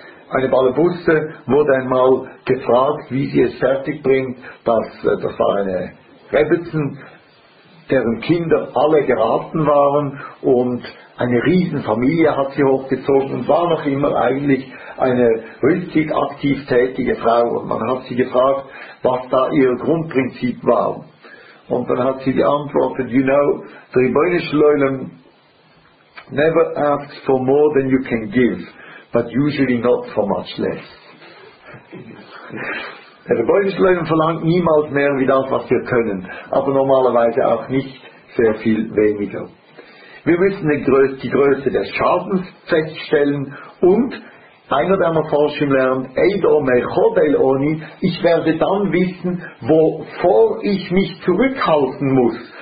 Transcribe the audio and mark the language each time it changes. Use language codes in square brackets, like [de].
[de] Eine Balabuste wurde einmal gefragt, wie sie es fertigbringt, das war eine Rebbetzin, deren Kinder alle geraten waren und eine Riesenfamilie hat sie hochgezogen und war noch immer eigentlich eine richtig aktiv tätige Frau. Und man hat sie gefragt, was da ihr Grundprinzip war. Und dann hat sie geantwortet, [en] you know, the Ribbono Shel Olam never asks for more than you can give, but usually not for much less. [de] Der Ribbono Shel Olam verlangt niemals mehr wie das, was wir können, aber normalerweise auch nicht sehr viel weniger. Wir müssen die Größe des Schadens feststellen und einer der Maforschim lernt, Eidom Echodel Oni, ich werde dann wissen, wovor ich mich zurückhalten muss.